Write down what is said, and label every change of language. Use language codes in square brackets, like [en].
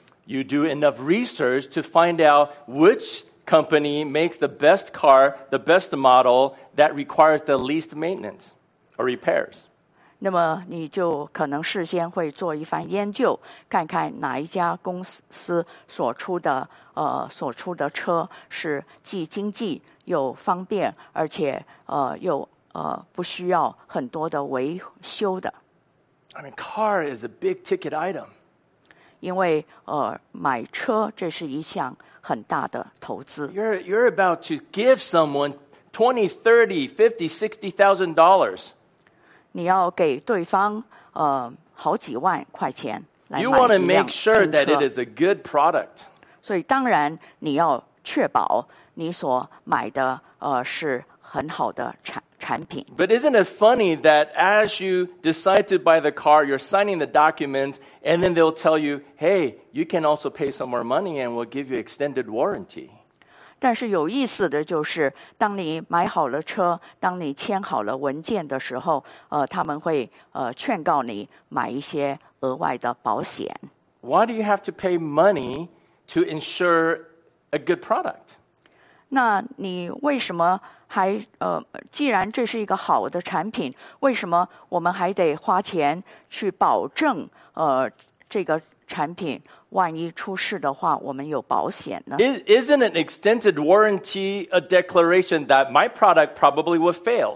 [en] ，you do enough research to find out which company makes the best car, the best model that requires the least maintenance or repairs. [zh] 那么你就可能事先会做一番研究，看看哪一家公司所出的车是既经济又方便，而且又不需要很多的维修的。 [en] I mean, car is a big ticket item. [zh] 因为买车这是一项很大的投资。 [en] You're about to give someone $20,000, $30,000, $50,000, $60,000. [zh] 你要给对方好几万块钱来买一辆新车。 [en] You want to make sure that it is a good product. [zh] 所以当然你要确保你所买的是很好的产品。 [en] But isn't it funny that as you decide to buy the car, you're signing the documents, and then they'll tell you, hey, you can also pay some more money and we'll give you extended warranty. [zh] 但是有意思的就是当你买好了车，当你签好了文件的时候，他们会劝告你买一些额外的保险。 [en] Why do you have to pay money?To ensure a good product. [zh] 那你为什么还既然这是一个好的产品，为什么我们还得花钱去保证这个产品万一出事的话我们有保险呢？ [en] Isn't an extended warranty a declaration that my product probably would fail?